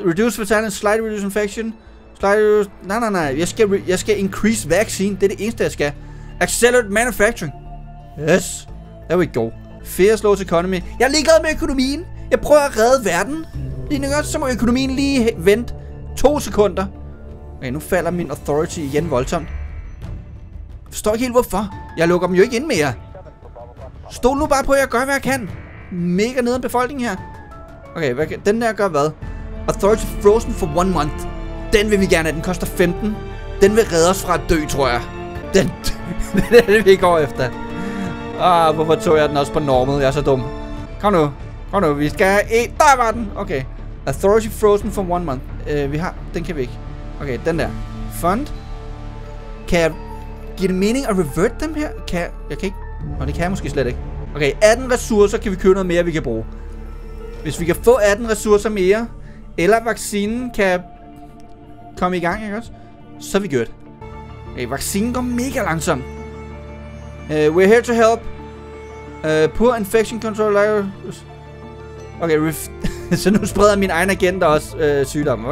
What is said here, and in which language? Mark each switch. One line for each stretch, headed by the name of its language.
English: Reduce fatality, slight reduce infection.
Danish: Nej. Jeg skal
English: increase vaccine.
Danish: Det er det eneste, jeg skal.
English: Accelerate manufacturing. Yes. There we go. Fear slows economy.
Danish: Jeg er ligeglad med økonomien. Jeg prøver at redde verden. Lige nu også, så må økonomien lige vente 2 sekunder. Okay, nu falder min authority igen voldsomt. Forstår ikke helt hvorfor. Jeg lukker dem jo ikke ind mere. Stol nu bare på, at jeg gør, hvad jeg kan. Mega nede af befolkningen her. Okay, den der gør hvad?
English: Authority frozen for 1 month.
Danish: Den vil vi gerne have. Den koster 15. Den vil redde os fra at dø, tror jeg. Den er det, vi går efter. Hvorfor tog jeg den også på normal? Jeg er så dum. Kom nu. Vi skal have en. Der var den. Okay.
English: Authority frozen for 1 month.
Danish: Vi har... Den kan vi ikke. Okay, den der. Fund. Kan jeg... Giver det mening at revert dem her? Jeg kan ikke. Nå, det kan jeg måske slet ikke. Okay, 18 ressourcer kan vi købe noget mere, vi kan bruge. Hvis vi kan få 18 ressourcer mere, eller vaccinen kan komme i gang, ikke også? Så er vi gjort. Okay, vaccinen går mega langsom.
English: We're here to help. Poor infection control. Okay,
Danish: Så nu spreder min egen agenda også sygdommen.